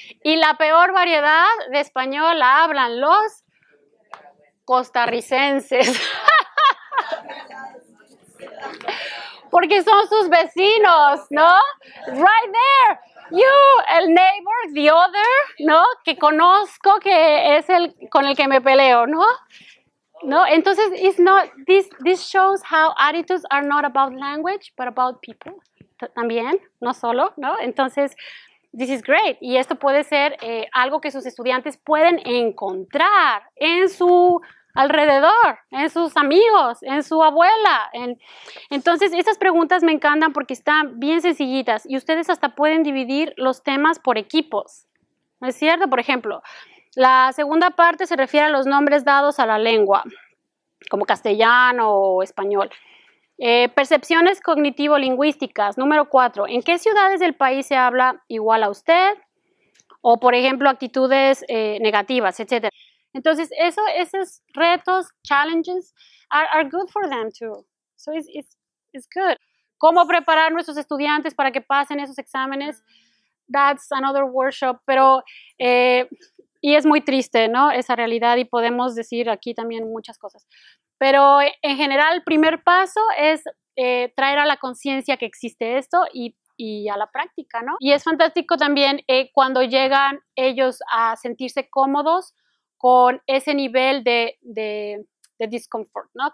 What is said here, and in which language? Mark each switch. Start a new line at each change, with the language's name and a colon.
Spanish: Y la peor variedad de español la hablan los costarricenses, porque son sus vecinos, ¿no?
English: Right there, you, el neighbor, the other, ¿no?
Spanish: Que conozco, que es el con el que me peleo, ¿no?
English: No, entonces it's not this shows how attitudes are not about language but about people.
Spanish: También, no solo, ¿no? Entonces this is great, y esto puede ser algo que sus estudiantes pueden encontrar en su alrededor, en sus amigos, en su abuela. Entonces estas preguntas me encantan porque están bien sencillitas, y ustedes hasta pueden dividir los temas por equipos. ¿No es cierto? Por ejemplo, la segunda parte se refiere a los nombres dados a la lengua, como castellano o español. Percepciones cognitivo-lingüísticas, número 4. ¿En qué ciudades del país se habla igual a usted? O, por ejemplo, actitudes negativas, etc.
English: Entonces, esos retos, challenges, are good for them too. So it's good.
Spanish: ¿Cómo preparar nuestros estudiantes para que pasen esos exámenes?
English: That's another workshop, pero...
Spanish: Y es muy triste, ¿no?, esa realidad, y podemos decir aquí también muchas cosas. Pero en general, el primer paso es traer a la conciencia que existe esto y a la práctica, ¿no? Y es fantástico también cuando llegan ellos a sentirse cómodos con ese nivel de discomfort, ¿no?